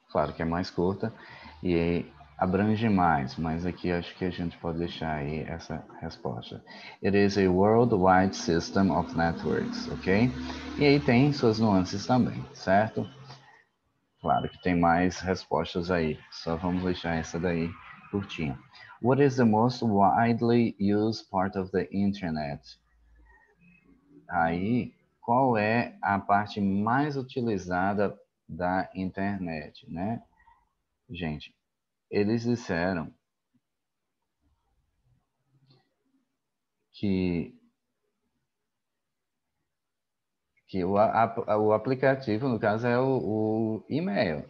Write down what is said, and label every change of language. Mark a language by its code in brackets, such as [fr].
[pt] Claro que é mais curta e abrange mais, mas aqui acho que a gente pode deixar aí essa resposta. [en] It is a worldwide system of networks, ok? [pt] E aí tem suas nuances também, certo? Claro que tem mais respostas aí, só vamos deixar essa daí curtinha. [en] What is the most widely used part of the internet? [pt] Aí, qual é a parte mais utilizada da internet, né? Gente, eles disseram que o aplicativo, no caso, é o e-mail.